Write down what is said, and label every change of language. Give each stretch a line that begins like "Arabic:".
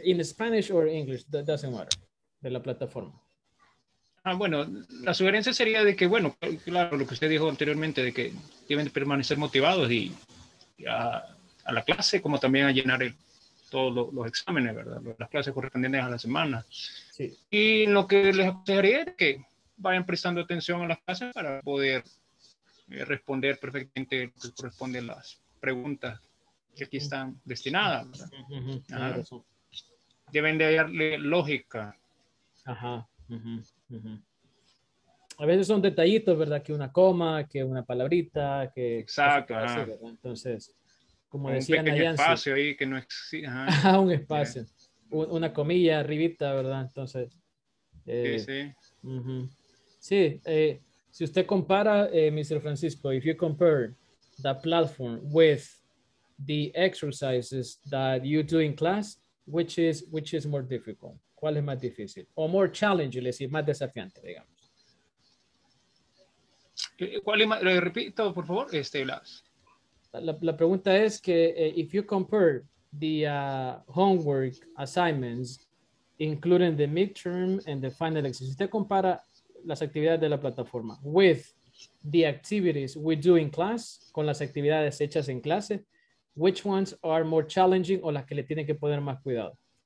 English: in Spanish or English, that doesn't matter,
Spanish: de la plataforma. Ah, bueno, la sugerencia sería de que, bueno, claro, lo que usted dijo anteriormente, de que deben permanecer motivados y a la clase, como también a llenar todos los exámenes, ¿verdad? Las clases correspondientes a la semana. Sí. Y lo que les aconsejaría es que vayan prestando atención a las clases para poder responder perfectamente lo que corresponde a las preguntas que aquí están destinadas. Uh-huh. Deben de hallarle lógica. Ajá. Uh-huh. A veces son detallitos, ¿verdad? Que una coma, que una palabrita, que... Exacto. Ajá. Entonces, como decían, un pequeño espacio ahí que no existe. Ajá. Un espacio. Yeah. Una comilla arribita, ¿verdad? Entonces. Sí, sí. Uh-huh. Sí, si usted compara, Mr.
English: Francisco, if you compare the platform with the exercises that you do in class, which is more difficult?
Spanish: ¿Cuál es más difícil? O
English: more challenging,
Spanish: es decir, más desafiante, digamos. ¿Cuál es más? Repito, por favor, Blas. La pregunta es que
English: if you compare the homework assignments, including the midterm and the final exam,
Spanish: si usted compara las actividades de la plataforma
English: with the activities we do in class,
Spanish: con las actividades hechas en clase,
English: which ones are more challenging
Spanish: o las que le tienen que poner más cuidado?